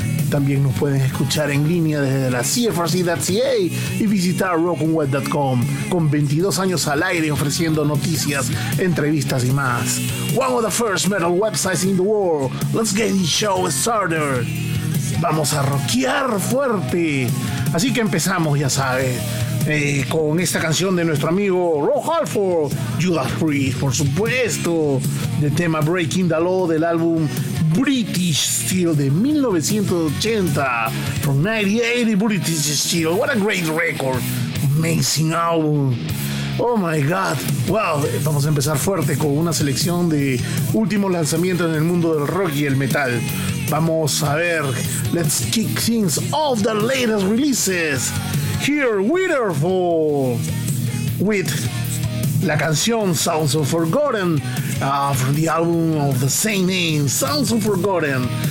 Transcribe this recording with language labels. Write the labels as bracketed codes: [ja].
[es] También nos pueden escuchar en línea desde la CFRC.ca y visitar rockandweb.com, con 22 años al aire ofreciendo noticias, entrevistas y más. [en] One of the first metal websites in the world. Let's get this show started. [es] Vamos a rockear fuerte. Así que empezamos, ya sabes, con esta canción de nuestro amigo Rob Halford, Judas Priest, por supuesto, del tema Breaking the Law del álbum British Steel de 1980, [en] from 1980, British Steel. What a great record, amazing album. Oh my God. [es] Well, vamos a empezar fuerte con una selección de últimos lanzamientos en el mundo del rock y el metal. Vamos a ver, [en] let's kick things off, the latest releases. Here, Witherfall with [es] la canción [en] Sounds of Forgotten, from the album of the same name, Sounds of Forgotten.